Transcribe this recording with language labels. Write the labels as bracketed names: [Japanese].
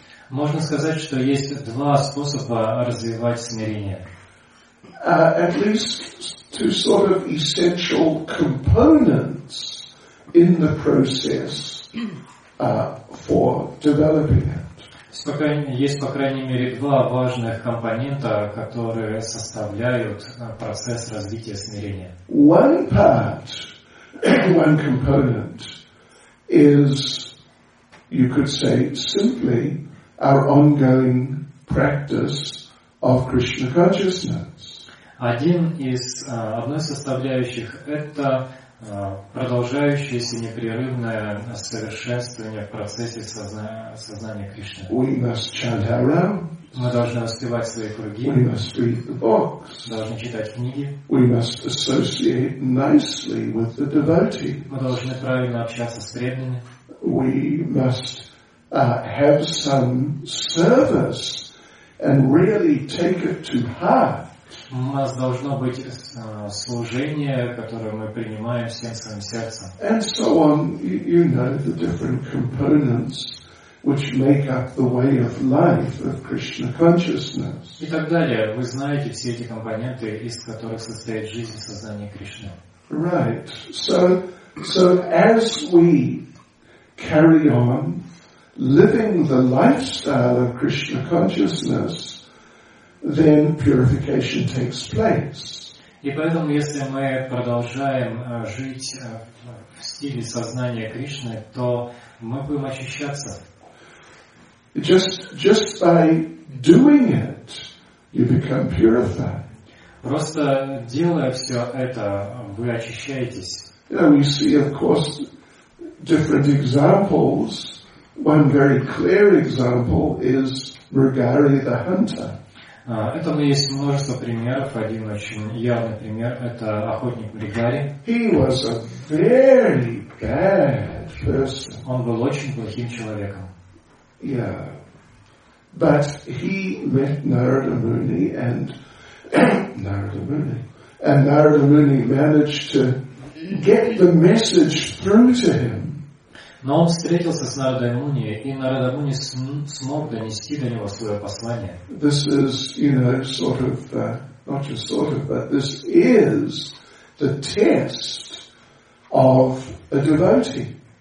[Russian] Можно сказать, что есть два способа развивать смирение. [English] At least two sort of essential components in the process for developing it. [Russian] Есть, по крайней мере, два важных компонента, которые составляют процесс развития смирения. [English] One part, one component is, you could say, simply our ongoing practice of Krishna consciousness. [Russian] Один из, одной из составляющих – это продолжающееся непрерывное совершенствование в процессе сознания Кришны. [English] We must chant our rounds. [Russian] Мы должны успевать свои круги. [English] We must read the books. [Russian] Мы должны читать книги. [English] We must associate nicely with the devotee. [Russian] Мы должны правильно общаться с преданными. [English] We must have some service and really take it to heart. [Russian] У нас должно быть служение, которое мы принимаем всем своим сердцем. [English] And so on, you know, the different components which make up the way of life of Krishna consciousness. [Russian] И так далее. Вы знаете все эти компоненты, из которых состоит жизнь сознания Кришны. [English] Right. So as we carry on living the lifestyle of Krishna consciousness, then purification takes place. [Russian] И поэтому, если мы продолжаем жить в стиле сознания Кришны, то мы будем очищаться. [English] Just by doing it, you become purified. [Russian] Просто делая все это, вы очищаетесь. [English] Yeah, we see, of course, different examples. One very clear example is Rugari the hunter. [Russian] Этому есть множество примеров. Один очень явный пример – это охотник Ригари. [English] He was a very bad person. [Russian] Он был очень плохим человеком. [English] Yeah. But he met Narada Muni, and Narada Muni managed to get the message through to him. [Russian] Но он встретился с Нарадой Муни, и Нарада Муни смог донести до него свое послание. [English] This is, you know, sort of, not just sort of, but this is the test of a devotee.